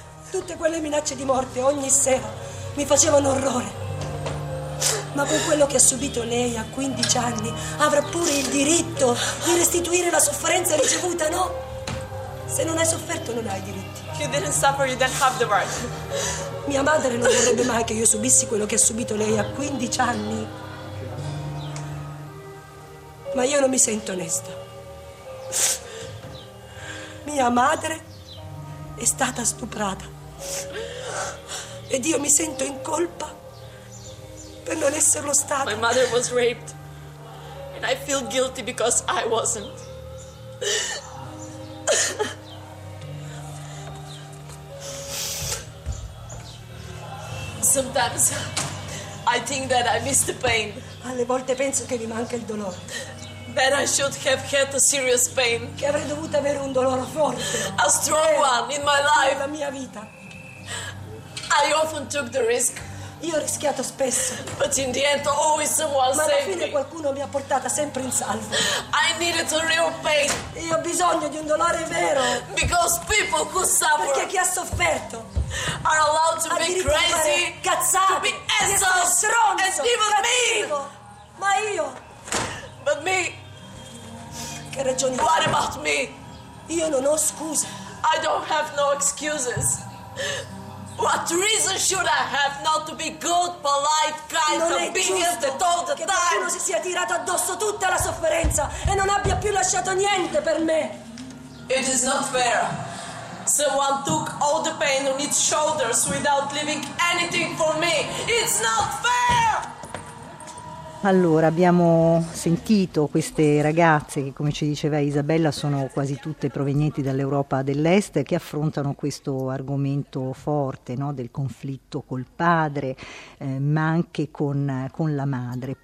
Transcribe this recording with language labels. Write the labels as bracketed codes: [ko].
[it] Tutte quelle minacce di morte ogni sera mi facevano orrore. Ma con quello che ha subito lei a 15 anni avrà pure il diritto di restituire la sofferenza ricevuta, no? Se non hai sofferto, non hai diritti. [en] If you didn't suffer, you didn't have the right. [it] Mia madre non vorrebbe mai che io subissi quello che ha subito lei a 15 anni. Ma io non mi sento onesta. Mia madre è stata stuprata. Ed io mi sento in colpa per non esserlo stata. [en] My mother was raped. And I feel guilty because I wasn't. Sometimes I think that I miss the pain. [it] Alle volte penso che mi manca il dolore. [en] That I should have had a serious pain. [it] Che avrei dovuto avere un dolore forte. [en] A strong one in my life. [it] Nella mia vita. [en] I often took the risk. [it] Io ho rischiato spesso. [en] But in the end always someone saved me. [it] Ma alla fine qualcuno mi ha portata sempre in salvo. [en] I needed a real pain. [it] Io ho bisogno di un dolore vero. [en] Because people who suffer. [it] Perché chi ha sofferto [en] are allowed to be crazy, [it] cazzate, [en] to be assholes, strong, and even [it] cattivo. [en] Me. [it] Ma io. [en] But me. [it] Che ragioni. [en] What about me? [it] Io non ho scuse. [en] I don't have no excuses. What reason should I have not to be good, polite, kind, obedient at all the time? [it] Che qualcuno si sia tirato addosso tutta la sofferenza e non abbia più lasciato niente per me. [en] It is not fair. Someone took all the pain on its shoulders without leaving anything for me. It's not fair! [it] Allora, abbiamo sentito queste ragazze che, come ci diceva Isabella, sono quasi tutte provenienti dall'Europa dell'Est, che affrontano questo argomento forte, no, del conflitto col padre, ma anche con la madre.